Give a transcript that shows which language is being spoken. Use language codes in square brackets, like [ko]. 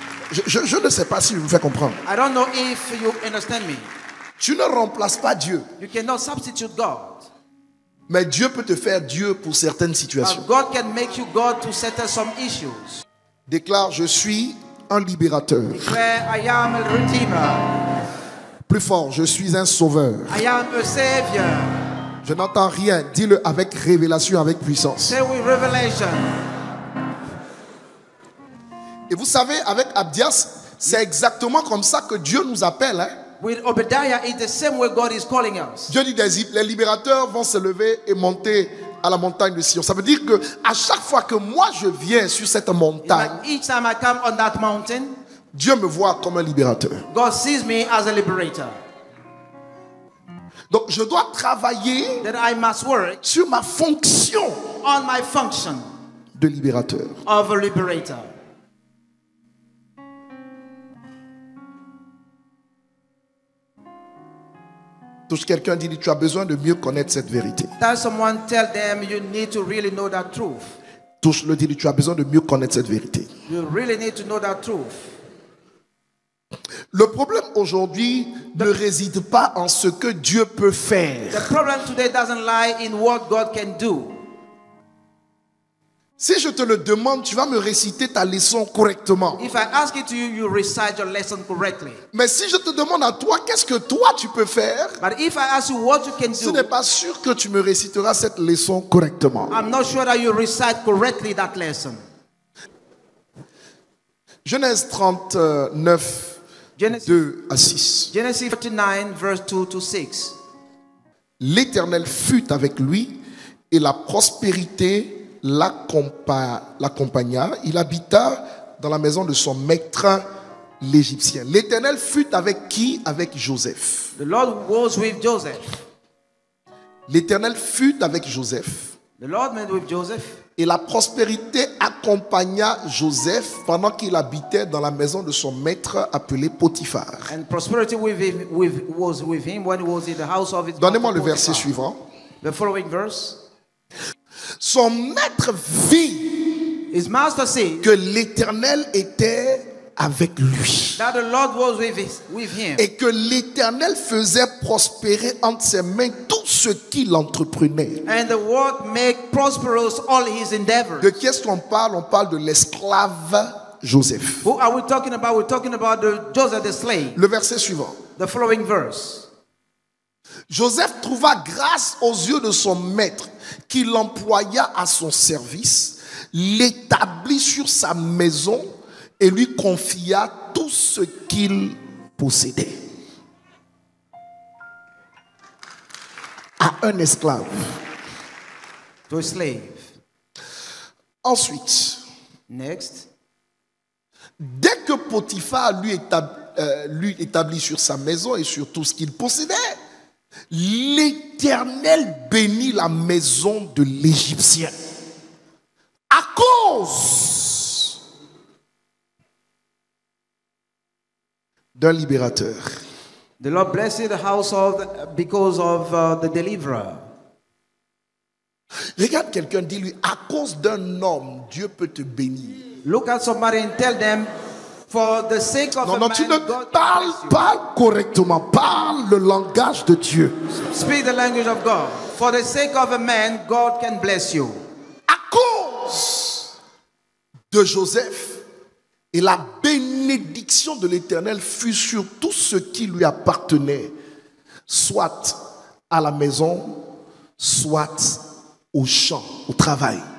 [fr] Je ne sais pas si je vous fais comprendre. [en] I don't know if you understand me. [fr] Tu ne remplaces pas Dieu. [en] You cannot substitute God. [fr] Mais Dieu peut te faire Dieu pour certaines situations. [en] God can make you God to settle some issues. [fr] Déclare, je suis un libérateur. [en] Declare, I am a redeemer. [fr] Plus fort, je suis un sauveur. [en] I am a savior. [fr] Je n'entends rien. Dis-le avec révélation, avec puissance. [en] Say with revelation. [fr] Et vous savez, avec Abdias, c'est exactement comme ça que Dieu nous appelle, hein? [en] With Obadiah, it's the same way God is calling us. [fr] Dieu dit des les libérateurs vont se lever et monter à la montagne de Sion. Ça veut dire que à chaque fois que moi je viens sur cette montagne, [en] each time I come on that mountain, [fr] Dieu me voit comme un libérateur. [en] God sees me as a liberator. [fr] Donc je dois travailler, [en] that I must work, [fr] sur ma fonction, [en] on my function, [fr] de libérateur. [en] Of a liberator. [fr] Touche quelqu'un, dit tu as besoin de mieux connaître cette vérité. [en] Tell someone, tell them you need to really know that truth. [fr] Touche le, dit tu as besoin de mieux connaître cette vérité. [en] You really need to know that truth. [fr] Le problème aujourd'hui ne réside pas en ce que Dieu peut faire. [en] The problem today doesn't lie in what God can do. [fr] Si je te le demande, tu vas me réciter ta leçon correctement. [en] If I ask it to you, you recite your lesson correctly. [fr] Mais si je te demande à toi, qu'est-ce que toi tu peux faire? [en] But if I ask you what you can do, [fr] ce n'est pas sûr que tu me réciteras cette leçon correctement. [en] I'm not sure that you recite correctly that lesson. [fr] Genèse 39, 2 à 6. [en] Genesis 39, verse 2 to 6. [fr] L'Éternel fut avec lui et la prospérité l'accompagna. Il habita dans la maison de son maître, l'Égyptien. L'Éternel fut avec qui? Avec Joseph. [en] The Lord was with Joseph. [fr] L'Éternel fut avec Joseph. [en] The Lord met with Joseph. [fr] Et la prospérité accompagna Joseph pendant qu'il habitait dans la maison de son maître appelé Potiphar. [en] And prosperity was with him when he was in the house of his master. [fr] Donnez-moi le verset suivant. [en] The following verse. [fr] Son maître vit [en] his master said [fr] que l'Éternel était avec lui. [en] That the Lord was with him. [fr] Et que l'Éternel faisait prospérer entre ses mains tout ce qu'il entreprenait. [en] And the Lord made prosperous all his endeavors. [fr] De qui est-ce qu'on parle? On parle de l'esclave Joseph. [en] Who are we talking about? We're talking about the Joseph the slave. [fr] Le verset suivant. [en] The following verse. [fr] Joseph trouva grâce aux yeux de son maître qui l'employa à son service, l'établit sur sa maison et lui confia tout ce qu'il possédait. À un esclave. [en] To a slave. [fr] Ensuite. [en] Next. [fr] Dès que Potiphar lui établit sur sa maison et sur tout ce qu'il possédait, l'Éternel bénit la maison de l'Égyptien à cause d'un libérateur. [en] The Lord blessed the house of because of the deliverer. [fr] Regarde quelqu'un, dis-lui à cause d'un homme, Dieu peut te bénir. [en] Look at somebody and tell them for the sake of [fr] non, [en] the [fr] non, [en] man, [fr] tu ne parle correctement. Parle le langage de Dieu. [en] Speak the language of God. For the sake of a man, God can bless you. [fr] À cause de Joseph, et la bénédiction de l'Éternel fut sur tout ce qui lui appartenait, soit à la maison, soit au champ, au travail.